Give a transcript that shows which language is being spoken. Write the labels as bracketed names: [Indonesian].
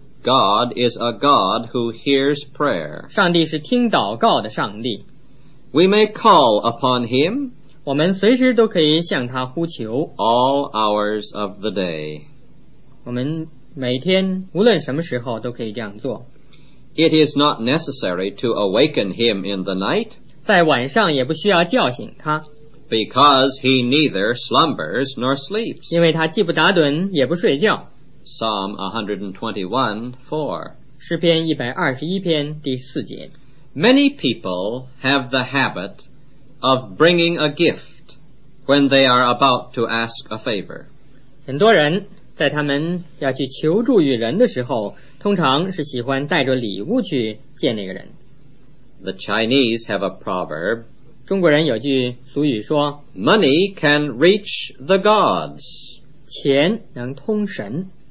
[English] God is a God who hears prayer. [Chinese] 上帝是听祷告的上帝。 [English] We may call upon him. [Chinese] 我们随时都可以向他呼求。 [English] All hours of the day. [Chinese] 我们每天无论什么时候都可以这样做。 [English] It is not necessary to awaken him in the night. [Chinese] 在晚上也不需要叫醒他。 [English] Because he neither slumbers nor sleeps. [Chinese] 因为他既不打盹也不睡觉。 [English] Psalm 121:4. [Chinese] 诗篇121篇第四节。 [English] Many people have the habit of bringing a gift when they are about to ask a favor. [Chinese] 很多人在他们要去求助于人的时候，通常是喜欢带着礼物去见那个人。 [English] The Chinese have a proverb. [Chinese] 中国人有句俗语说， [English] Money can reach the gods. [Chinese] 钱能通神。